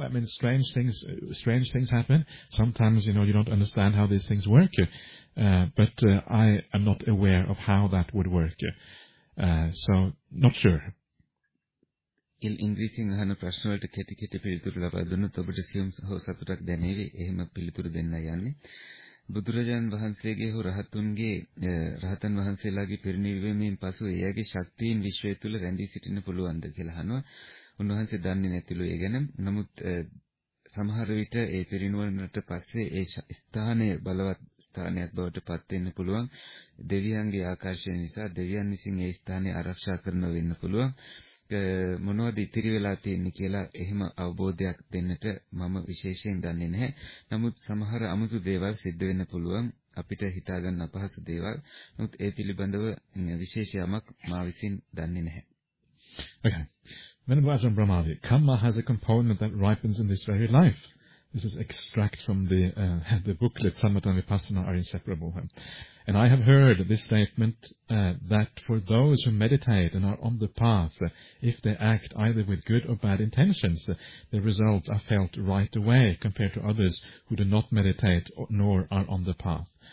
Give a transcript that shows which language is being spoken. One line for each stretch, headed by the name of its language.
English: I mean, strange things happen. Sometimes, you know, you don't understand how these things work. But I am not aware of how that would work. So, not sure. In English, I have a question about the question of the question. I have a question about the question.
Sinhala: බුදුරජාන් වහන්සේගේ හෝ රහතුන්ගේ රහතන් වහන්සේලාගේ පිරිනිවීමෙන් පසු එයාගේ ශක්තියින් විශ්වය තුල රැඳී සිටින්න පුළුවන්ද කියලා අහනවා. උන්වහන්සේ දන්නේ නැතිළු ඒ ගැන. නමුත් සමහර විට ඒ පිරිනිවනට පස්සේ ඒ ස්ථානයේ බලවත් ස්ථානයක් බවට පත් වෙන්න පුළුවන්. දෙවියන්ගේ ආකර්ෂණය නිසා දෙවියන් විසින් ඒ ස්ථානය ආරක්ෂා කරන වෙන්න පුළුවන්. මොනවද ඉතිරි වෙලා තියෙන්නේ කියලා එහෙම අවබෝධයක් දෙන්නට මම විශේෂයෙන් දන්නේ නැහැ. නමුත් සමහර අමුතු දේවල් සිද්ධ වෙන්න පුළුවන් අපිට හිතා ගන්න අපහසු දේවල්. නමුත් ඒ පිළිබඳව විශේෂයක් මා විසින් දන්නේ නැහැ.
English: Okay. Venerable Ajahn Brahmada, karma has a component that ripens in this very life. This is extract from the booklet Samatha and Vipassana are inseparable. And I have heard this statement that for those who meditate and are on the path, if they act either with good or bad intentions, the results are felt right away compared to others who do not meditate nor are on the path.